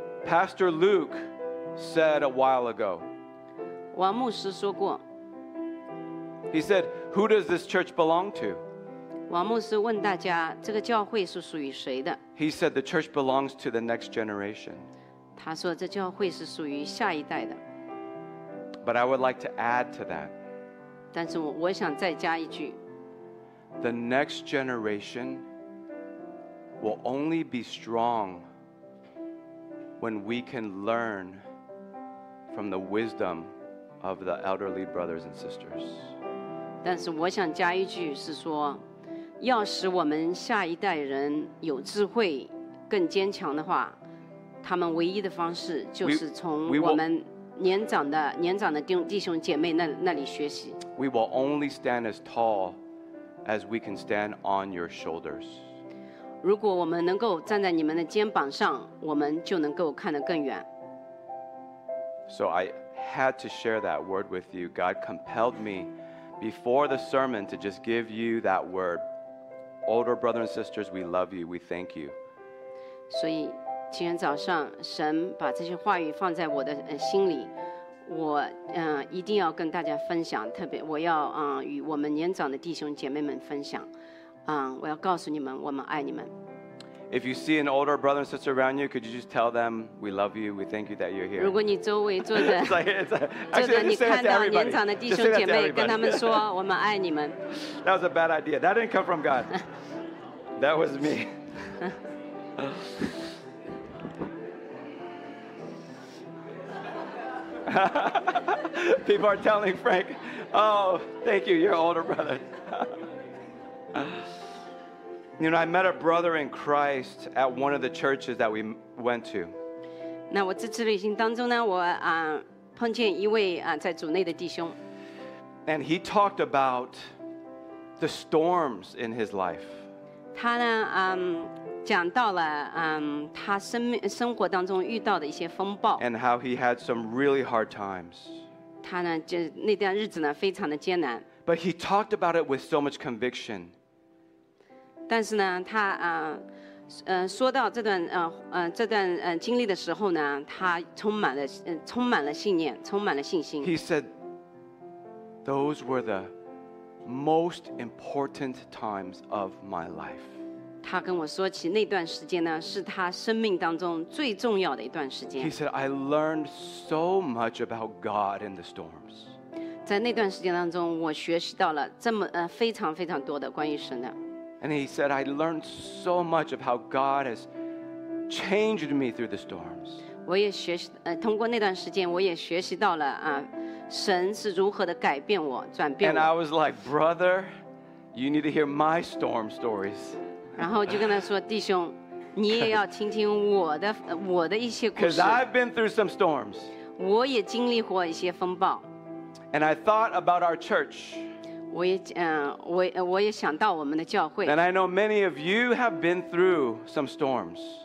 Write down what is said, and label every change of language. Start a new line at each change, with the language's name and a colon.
English: Pastor Luke said a while ago.
Chinese: 王牧师说过
English: He said, who does this church belong to?
Chinese: 王牧师问大家这个教会是属于谁的
English: He said, the church belongs to the next generation.
Chinese: 他说这教会是属于下一代的
English: But I would like to add to that.
Chinese: 但是我想再加一句
English: The next generation will only be strong when we can learn from the wisdom of the elderly brothers and sisters.
Chinese: 但是我想加一句是说，要使我们下一代人有智慧，更坚强的话，他们唯一的方式就是从我们年长的弟兄姐妹那里学习。
English: We will only stand as tall as we can stand on your shoulders.
Chinese: 如果我们能够站在你们的肩膀上，我们就能够看得更远。
English: So I had to share that word with you. God compelled me before the sermon to just give you that word. Older brothers and sisters, we love you. We thank you.
Chinese: 所以今天早上神把这些话语放在我的心里，我一定要跟大家分享，特别我要与我们年长的弟兄姐妹们分享，我要告诉你们，我们爱你们。
English: If you see an older brother and sister around you, could you just tell them we love you, we thank you that you're here?
Chinese: 如果你周围坐着，坐着你看到年长的弟兄姐妹，跟他们说我们爱你们。
English: That was a bad idea. That didn't come from God. That was me. People are telling Frank, oh, thank you, you're older brother. You know, I met a brother in Christ at one of the churches that we went to.
Chinese: 那我这次旅行当中呢，我碰见一位在主内的弟兄。
English: And he talked about the storms in his life.
Chinese: 他呢讲到了他生活当中遇到的一些风暴。
English: And how he had some really hard times.
Chinese: 他呢就那段日子呢非常的艰难。
English: But he talked about it with so much conviction.
Chinese: 但是呢他说到这段这段经历的时候呢，他充满了信念，充满了信心。
English: He said those were the most important times of my life.
Chinese: 他跟我说起那段时间呢，是他生命当中最重要的一段时间。
English: He said I learned so much about God in the storms.
Chinese: 在那段时间当中，我学习到了这么非常非常多的关于神的。
English: And he said, I learned so much of how God has changed me through the storms.
Chinese: 我也学习，通过那段时间，我也学习到了，神是如何的改变我，转变我。
English: And I was like, brother, you need to hear my storm stories.
Chinese: 然后就跟他说，弟兄，你也要听听我的一些故事。
English: Because I've been through some storms.
Chinese: 我也经历过一些风暴。
English: And I thought about our church.
Chinese: 我也想到我们的教会。
English: And I know many of you have been through some storms.